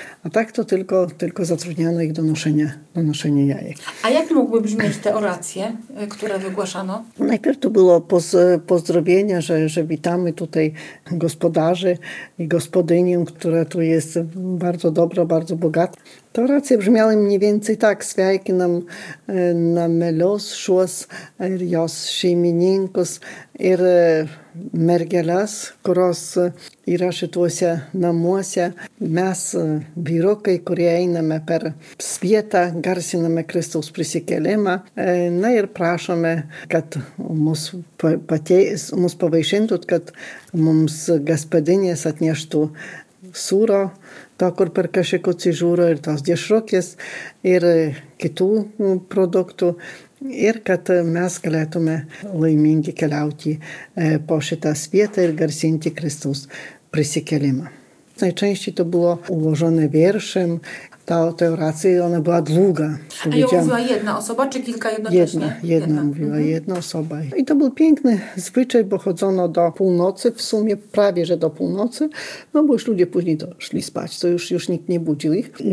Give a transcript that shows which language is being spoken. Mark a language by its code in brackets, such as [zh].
[pl] A tak to tylko zatrudniano ich donoszenie jajek. A jak mogły brzmieć te oracje, które wygłaszano? Najpierw to było pozdrowienia, że witamy tutaj gospodarzy i gospodynię, która tu jest bardzo dobra, bardzo bogata. Te oracje brzmiały mniej więcej tak. [lt] Sveikinam namelos, šuos ir jos šeimininkus ir mergeles, kurios yra šituose namuose. Mes vyrukai, kurie einame per svietą, garsiname Kristaus prisikėlimą. Na ir prašome, kad mus pavaišintų, kad mums gaspadinės atneštų sūro, to kur per kažkokį cižūrą ir tos dėšrukės ir kitų produktų ir kad mes galėtume laimingi keliauti po šitą svietą ir garsinti Kristaus prisikėlimą. [pl] Najczęściej to było ułożone wierszem. Ta oracja, ona była długa. A ją mówiła jedna osoba, czy kilka jednocześnie? Jedna osoba. I to był piękny zwyczaj, bo chodzono do północy, w sumie prawie, że do północy, no bo już ludzie później to szli spać, to już nikt nie budził ich.